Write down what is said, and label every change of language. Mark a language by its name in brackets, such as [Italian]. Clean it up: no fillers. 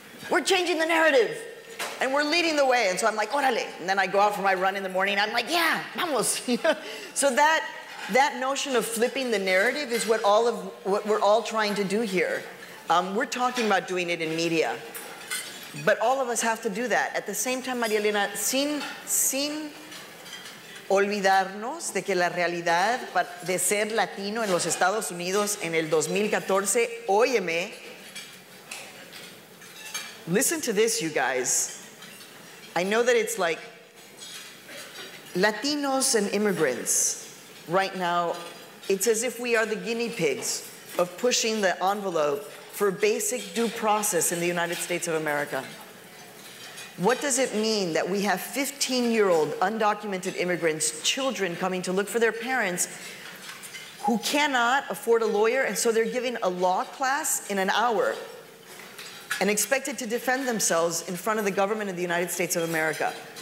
[English] We're changing the narrative. And we're leading the way, and so I'm like, órale. And then I go out for my run in the morning, and I'm like, yeah, vamos. So that notion of flipping the narrative is what we're all trying to do here. We're talking about doing it in media. But all of us have to do that. At the same time, [Spanish] Maria Elena, sin olvidarnos de que la realidad de ser Latino en los Estados Unidos en el 2014, óyeme, [English] listen to this, you guys. I know that it's like Latinos and immigrants right now, it's as if we are the guinea pigs of pushing the envelope for basic due process in the United States of America? What does it mean that we have 15-year-old undocumented immigrants, children coming to look for their parents who cannot afford a lawyer, and so they're giving a law class in an hour and expected to defend themselves in front of the government of the United States of America?